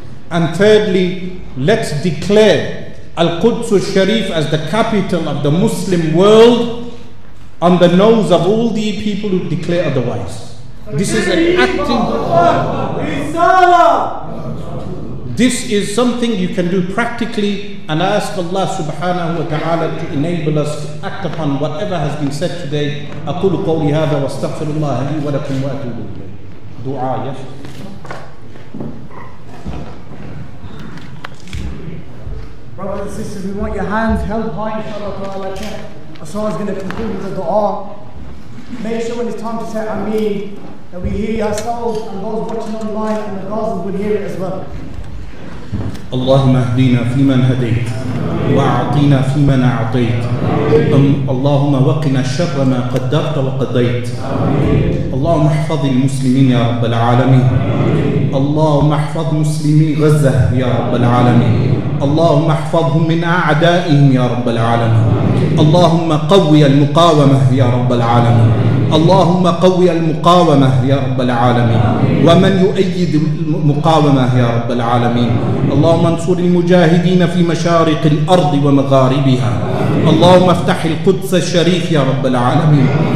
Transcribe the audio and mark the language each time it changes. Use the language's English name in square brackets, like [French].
[English] And thirdly, let's declare Al-Quds Al-Sharif as the capital of the Muslim world on the nose of all the people who declare otherwise. This is an active. This is something you can do practically, and I ask Allah subhanahu wa ta'ala to enable us to act upon whatever has been said today. [Arabic] أقول قولي هذا واستغفر الله لي ولكم وأتوب إليه. دعاء. [English] Brothers and sisters, we want your hands held high, inshallah ta'ala. Asrar is going to conclude with a dua. Make sure when it's time to say Ameen that we hear ourselves and those watching online and the Gaza will hear it as well. [Arabic] اللهم اهدنا فيمن هديت واعطنا فيمن اعطيت اللهم وقنا الشر ما قدرت وقضيت اللهم احفظ المسلمين يا رب العالمين اللهم احفظ مسلمي غزة يا رب العالمين اللهم احفظهم من أعدائهم يا رب العالمين اللهم قوي المقاومة يا رب العالمين اللهم قوي المقاومة يا رب العالمين ومن يؤيد المقاومة يا رب العالمين اللهم انصر المجاهدين في مشارق الأرض ومغاربها اللهم افتح القدس الشريف يا رب العالمين